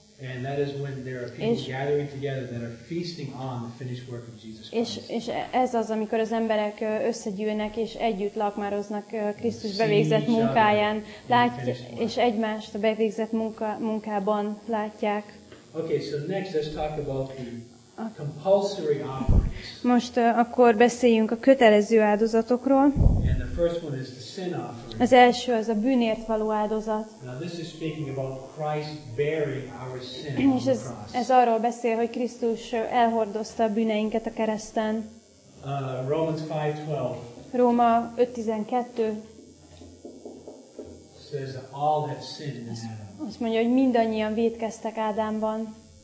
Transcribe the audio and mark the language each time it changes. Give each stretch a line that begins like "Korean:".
English: And that is when there are people gathering together that are feasting on the finished work of Jesus Christ.
Hungarian: És ez az, amikor az emberek összegyűlnek és együtt lakmároznak Krisztus bevégzett munkáján, és egymást a bevégzett munkában látják.
English: Okay, so next let's talk about the compulsory offerings.
Hungarian: Most akkor beszéljünk a kötelező áldozatokról.
English: And the first one is the sin offering.
Hungarian: Az első az a bűnért való áldozat.
English: Now this is speaking about Christ bearing our sin on the cross.
Hungarian: És ez arról beszél, hogy Krisztus elhordozta a bűneinket a kereszten.
English: Romans 5:12.
Hungarian: Róma 5:12.
English: Says that all have sinned in Adam.
Hungarian: Azt mondja, hogy mindannyian vétkeztek Ádámban.